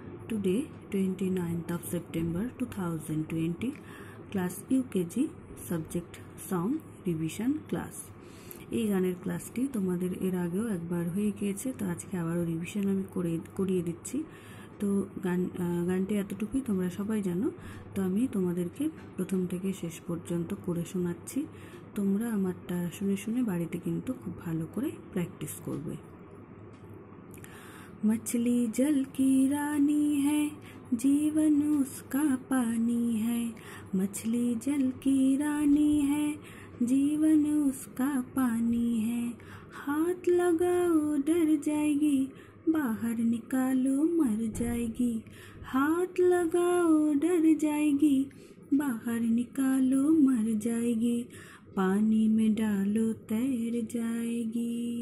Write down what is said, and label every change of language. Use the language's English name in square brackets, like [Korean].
[English] Today 29th of September 2020, class UKG, subject song revision class. [Bangla] এই গানের ক্লাসটি তোমাদের এর আগেও একবার হয়ে গিয়েছে, তো আজকে আবারও রিভিশন আমি করিয়ে দিচ্ছি। তো গানটি এতটুকুই তোমরা সবাই জানো, তো আমি তোমাদেরকে প্রথম থেকে শেষ পর্যন্ত করে শোনাচ্ছি। তোমরা আমারটা শুনে শুনে বাড়িতে কিন্তু খুব ভালো করে প্র্যাকটিস করবে। [Hindi] মছলি জল কি রানি হ্যায়, জীবন উসকা পানি হ্যায়। মছলি জল কি রানি হ্যায়, जीवन उसका पानी है। हाथ लगाओ डर जाएगी, बाहर निकालो मर जाएगी। हाथ लगाओ डर जाएगी, बाहर निकालो मर जाएगी। पानी में डालो तैर जाएगी।